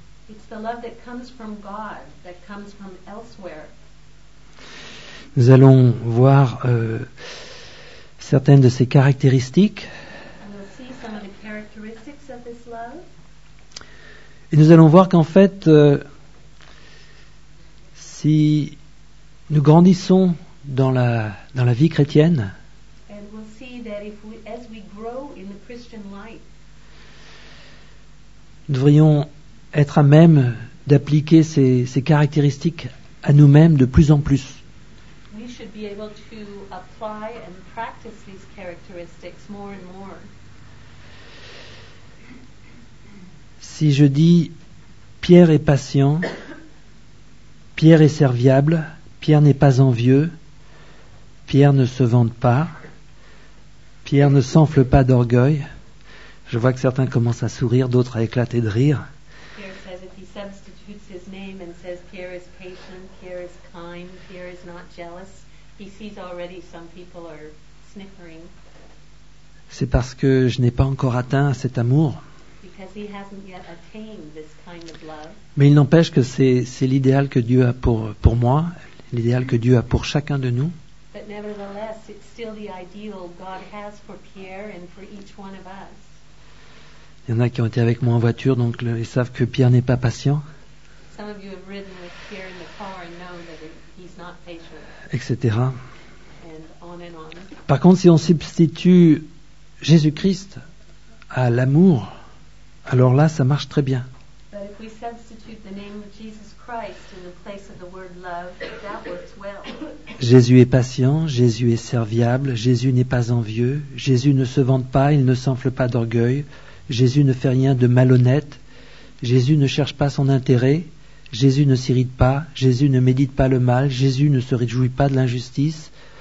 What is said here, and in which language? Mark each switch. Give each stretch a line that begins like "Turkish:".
English: It's the love that comes from God, that comes from elsewhere.
French: Nous allons voir certaines de ses caractéristiques.
English: And we'll see some of the characteristics of this love.
French: Et nous allons voir qu'en fait, si nous grandissons dans la vie chrétienne,
English: and we'll see that if we, as we grow in the Christian life,
French: nous devrions être à même d'appliquer ces caractéristiques à nous-mêmes de plus en plus.
English: We should be able to apply and practice these characteristics more and more.
French: Si je dis Pierre est patient, Pierre est serviable, Pierre n'est pas envieux, Pierre ne se vante pas, Pierre ne s'enfle pas d'orgueil, je vois que certains commencent à sourire, d'autres à éclater de rire.
English: Substitutes his name and says Pierre is patient, Pierre is kind, Pierre is not jealous. He sees already some people are sniffering.
French: C'est parce que je n'ai pas encore atteint cet amour.
English: Because he hasn't yet attained this kind of love.
French: Mais il n'empêche que c'est l'idéal que Dieu a pour moi, l'idéal que Dieu a pour chacun de nous.
English: But nevertheless, it's still the ideal God has for Pierre and for each one of us.
French: Il y en a qui ont été avec moi en voiture, donc ils savent que Pierre n'est pas patient.
English: Some of you have ridden with Pierre in the car and know that he's not patient.
French: Etc.
English: And on and on.
French: Par contre, si on substitue Jésus-Christ à l'amour, alors là, ça marche très bien.
English: But if we substitute the name of Jesus Christ in the place of the word love, that works well.
French: Jésus est patient, Jésus est serviable, Jésus n'est pas envieux, Jésus ne se vante pas, il ne s'enfle pas d'orgueil. Jésus ne fait rien de malhonnête. Jésus ne cherche pas son intérêt. Jésus ne s'irrite pas. Jésus ne médite pas le mal. Jésus ne se réjouit pas de l'injustice.